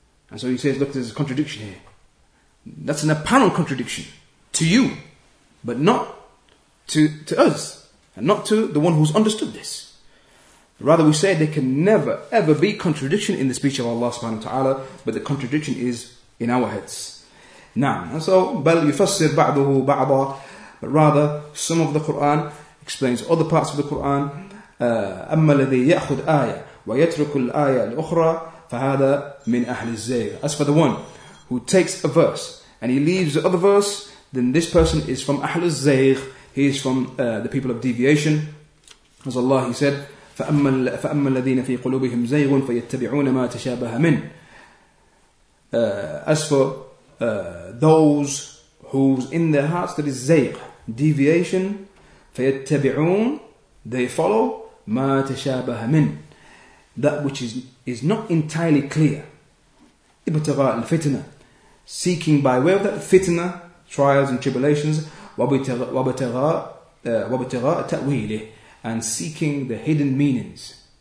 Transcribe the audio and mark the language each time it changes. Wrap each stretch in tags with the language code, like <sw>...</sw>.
<en>And so he says, look, there's a contradiction here. That's an apparent contradiction to you, but not to us, and not to the one who's understood this. Rather, we say there can never, ever be contradiction in the speech of Allah subhanahu wa ta'ala, but the contradiction is in our heads. Now, and so,</en> <ar>بَلْ يُفَسِّرْ بَعْضُهُ بَعْضًا.</ar> <en>But rather, some of the Qur'an explains other parts of the Qur'an.</en> <ar>أَمَّا الَّذِي يَأْخُدْ آيَةً وَيَتْرُكُ الْآيَةَ الْأُخْرَى فَهَذَا مِنْ أَهْلِ الزَّيْرِ.</ar> <en>As for the one who takes a verse and he leaves the other verse, then this person is from</en> <ar>أهل الزَّيْرِ.</ar> <en>He is from the people of deviation. As Allah, He said,</en> <ar>فَأَمَّا الَّذِينَ فِي قُلُوبِهِمْ زَيْغٌ فَيَتَّبِعُونَ مَا تَشَابَهَ مِنْ.</ar> <en>As for those who's in their hearts, that is زَيْغ, deviation, فَيَتَّبِعُونَ, they follow,</en> <ar>مَا تَشَابَهَ مِنْ,</ar> <en>that which is not entirely clear.</en> <ar>ابتغاء الفتنة,</ar> <en>seeking by way of that fitna, trials and tribulations,</en> <ar>وبتغاء تأويله,</ar> <en>and seeking the hidden meanings.</en>